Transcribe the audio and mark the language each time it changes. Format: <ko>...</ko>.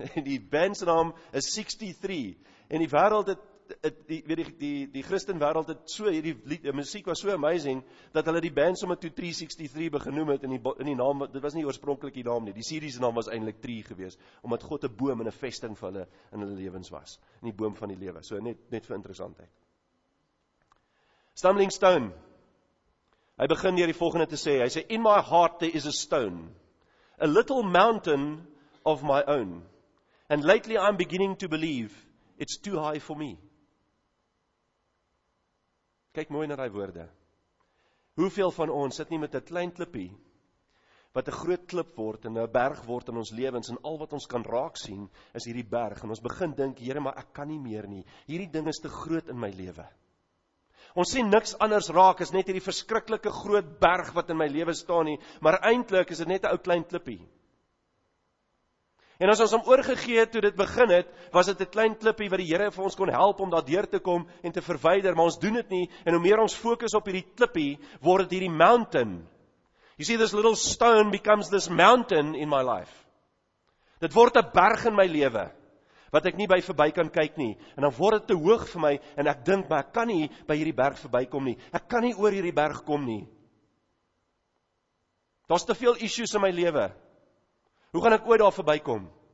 <af>Die band se naam is 63 en die wêreld het die Christen wêreld het so hierdie lied, die musiek was so amazing dat hulle die band sommer toe 363 begenoem het in die naam, dit was nie oorspronklik die naam nie, die series naam was eintlik Tree gewees, omdat God 'n boom en 'n vesting vir hulle in hulle lewens was, in die boom van die lewe, so net vir interessantheid. Stumbling Stone, hy begin deur die volgende te sê, hy sê,</af> <en>"In my heart there is a stone, a little mountain of my own, and lately I'm beginning to believe it's too high for me."</en> <af>Kyk mooi na die woorde. Hoeveel van ons sit nie met 'n klein klippie, wat 'n groot klip word en 'n berg word in ons lewens, en al wat ons kan raak sien, is hierdie berg, en ons begin dink, Here, maar ek kan nie meer nie, hierdie ding is te groot in my lewe. Ons sien niks anders raak, is net hierdie verskriklike groot berg wat in my lewe staan nie, maar eintlik is dit net 'n ou klein klippie. En as ons hom oorgegee het toe dit begin het, was dit 'n klein klippie wat die Here vir ons kon help om daardeur te kom en te verwyder, maar ons doen dit nie, en hoe meer ons fokus op hierdie klippie, word dit hierdie mountain.</af> <en>You see, this little stone becomes this mountain in my life.</en> <af>Dit word 'n berg in my lewe, wat ek nie by verby kan kyk nie, en dan word dit te hoog vir my, en ek dink, maar ek kan nie by hierdie berg verbykom nie, ek kan nie oor hierdie berg kom nie. Daar's te veel issues in my lewe, hoe gaan ek ooit daar verbykom?</af>